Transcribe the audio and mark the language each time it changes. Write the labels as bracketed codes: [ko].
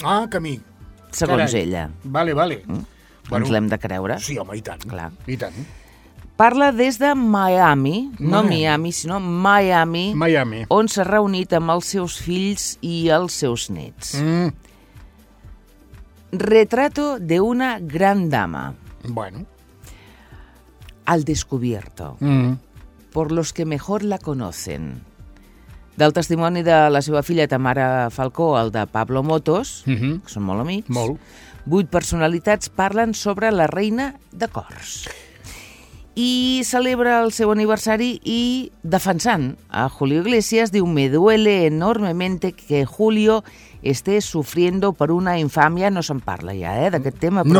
[ca] Ah, camí. Segons Carai. Ella. Vale, vale. Mm? Bueno, ens l'hem de creure. Sí, home, i tant. Clar. I tant. Parla des de Miami, no Miami, sinó Miami, Miami, on s'ha reunit amb els seus fills i els seus nets. Mm. [es] Retrato de una gran dama. Bueno. Al descubierto. Mm. Por los que mejor la conocen. [ca] Del testimoni de la seva filla Tamara Falcó, el de Pablo Motos, mm-hmm. que són molt amics, molt. 8 personalitats parlen sobre la reina de cors. I celebra el seu aniversari i, defensant a Julio Iglesias, diu, [es] me duele enormemente que Julio esté sufriendo por una infamia, [ca] no se'n parla ya, d'aquest tema, però